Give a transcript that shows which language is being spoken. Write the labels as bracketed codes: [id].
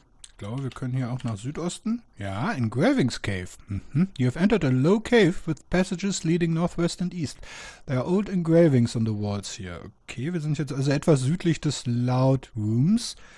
[de] Ich glaube, wir können hier auch nach Südosten. Ja, in Gravings Cave. [en] You have entered a low cave with passages leading northwest and east. There are old engravings on the walls here. [de] Okay, wir sind jetzt also etwas südlich des Loud Rooms.